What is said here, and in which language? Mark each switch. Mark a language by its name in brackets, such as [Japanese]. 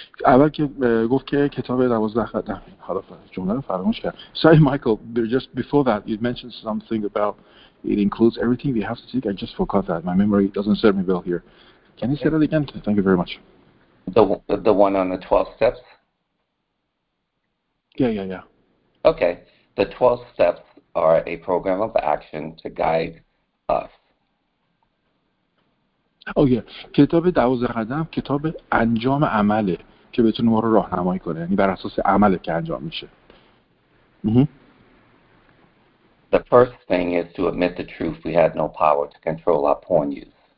[Persian] اول که گفت که کتاب 12 قدم، حالا جمله رو فراموش کرد. [English] Sorry, Michael, just before that, you mentioned something about it includes everything we have to seek. I just forgot that. My memory doesn't serve me well here. Can you say that again? Thank you very much. The one on the 12 steps? Yeah. Okay. The 12 steps are a program of action to guide us. Oh yeah. [Persian] کتاب 12 قدم کتاب انجام عمله که بتونه ما رو راهنمایی کنه، یعنی بر اساس عمله که انجام میشه. [English] The first thing is to admit the truth we had no power to control our porn use.